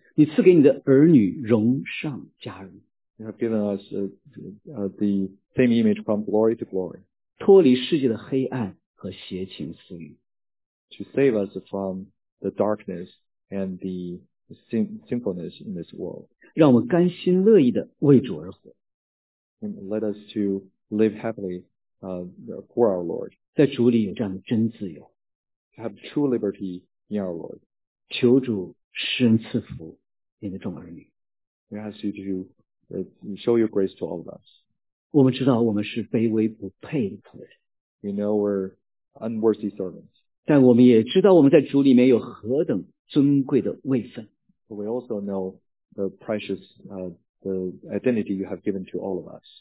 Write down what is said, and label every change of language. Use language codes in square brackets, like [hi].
[zh] 你赐给你的儿女荣上加荣。 [en] You have given us the same image from glory to glory. [zh] 脱离世界的黑暗和邪情私欲。 [en] To save us from the darkness and the sinfulness in this world. [zh] 让我们甘心乐意的为主而活。 [en] And let us to live happily for our Lord. [zh] 在主里有这样的真自由。 [en] To have true liberty in our Lord. [zh] 求主施恩赐福你的众儿女。 [en] We ask you to show your grace to all of us. [zh] 我们知道我们是卑微不配的仆人。 [en] We know we're unworthy servants. [zh] 但我们也知道我们在主里面有何等尊贵的位分。 [en] But we also know the precious, the identity you have given to all of us.